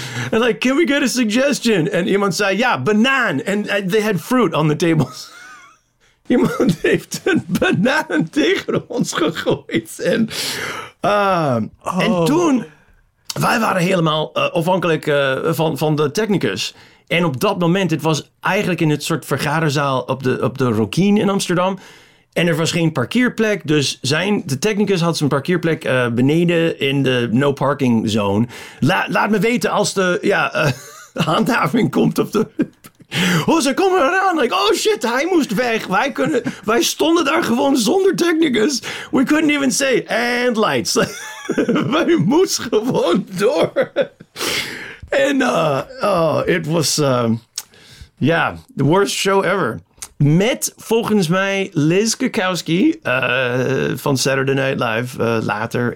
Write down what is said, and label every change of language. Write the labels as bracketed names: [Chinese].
[English] and like, can we get a suggestion? [Dutch] En iemand zei, ja, banaan. [English] And they had fruit on the tables. [Dutch] Iemand heeft een banaan tegen ons gegooid. En, en toen, wij waren helemaal afhankelijk van de technicus. En op dat moment, het was eigenlijk in het soort vergaderzaal op de Rokin in Amsterdam. En er was geen parkeerplek. Dus de technicus had zijn parkeerplek beneden in de no parking zone. Laat me weten als de handhaving komt. Ze komen eraan. [English] Like, oh shit, [Dutch] hij moest weg. Wij stonden daar gewoon zonder technicus. [English] We couldn't even say, and lights. [Dutch] Wij moesten gewoon door. En het was, [English] the worst show ever. [Dutch] Met volgens mij Liz Kukowski van Saturday Night Live later.